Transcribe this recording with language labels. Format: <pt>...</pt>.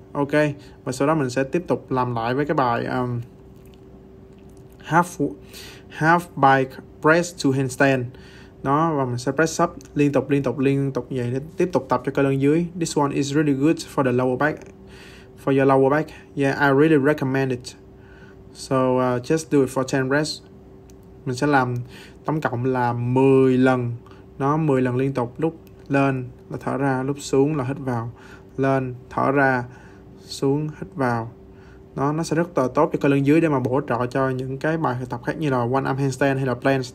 <vi>Ok, và sau đó mình sẽ tiếp tục làm lại với cái bài half bike press to handstand. Đó, và mình sẽ press up liên tục vậy để tiếp tục tập cho cơ lưng dưới.</vi> <en>This one is really good for the lower back, for your lower back. Yeah, I really recommend it. So just do it for 10 reps.</en> <vi>Mình sẽ làm tổng cộng là 10 lần. Nó 10 lần liên tục, lúc lên là thở ra, lúc xuống là hít vào. Lên, thở ra, xuống, hít vào. Nó sẽ rất tốt cho cơ lưng dưới để mà bổ trợ cho những cái bài tập khác như là one arm handstand hay là planks.</vi>